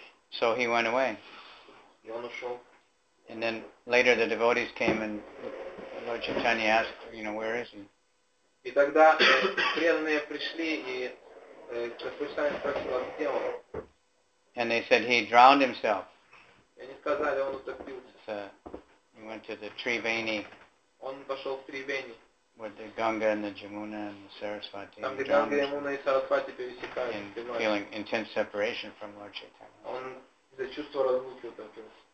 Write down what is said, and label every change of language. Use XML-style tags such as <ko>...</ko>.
<en>So he went away. And then later the devotees came and Lord Chaitanya asked, you know, where is he?</en> <ru>И тогда преданные пришли и Господь спросил, где он?</ru> <en>And they said he drowned himself.</en> <ru>И они сказали, он утопился.</ru> <en>He went to the Triveni.</en> <ru>Он пошел в Тривени.</ru> <en>With the Ганга and the Jamuna and the Сарасвати.</en> <ru>Там где Ганга, Ямуна и Сарасвати пересекались.</ru> <en>And feeling intense separation from Lord Chaitanya.</en> <ru>Он из-за чувства разлуки утопился.</ru>